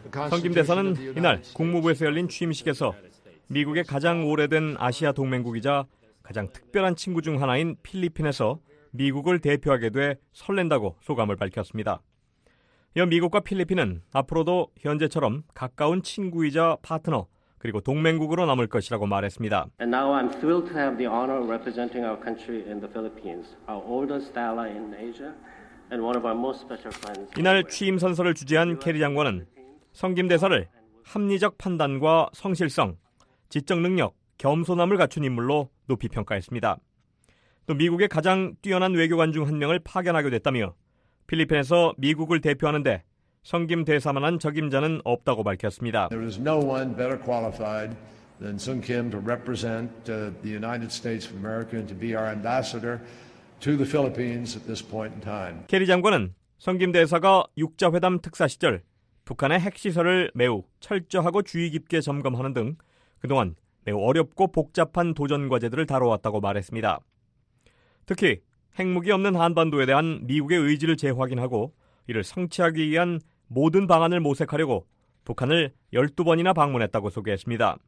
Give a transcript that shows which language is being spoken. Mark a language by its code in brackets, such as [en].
[ko] 성김대사는 이날 국무부에서 열린 취임식에서 미국의 가장 오래된 아시아 동맹국이자 가장 특별한 친구 중 하나인 필리핀에서 미국을 대표하게 돼 설렌다고 소감을 밝혔습니다. 이어 미국과 필리핀은 앞으로도 현재처럼 가까운 친구이자 파트너 그리고 동맹국으로 남을 것이라고 말했습니다. [en] And now I'm thrilled to have the honor of representing our country in the Philippines, our oldest ally in Asia and one of our most special friends. [ko] 이날 취임 선서를 주재한 캐리 장관은 성김 대사를 합리적 판단과 성실성, 지적 능력, 겸손함을 갖춘 인물로 높이 평가했습니다. 또 미국의 가장 뛰어난 외교관 중 한 명을 파견하게 됐다며 필리핀에서 미국을 대표하는데 성김 대사만한 적임자는 없다고 밝혔습니다. [en] There is no one better qualified than Sung Kim to represent the United States of America and to be our ambassador to the Philippines at this point in time. [ko] 캐리 장관은 성김 대사가 6자회담 특사 시절 북한의 핵시설을 매우 철저하고 주의 깊게 점검하는 등 그동안 매우 어렵고 복잡한 도전 과제들을 다뤄왔다고 말했습니다. 특히 핵무기 없는 한반도에 대한 미국의 의지를 재확인하고 이를 성취하기 위한 모든 방안을 모색하려고 북한을 12번이나 방문했다고 소개했습니다.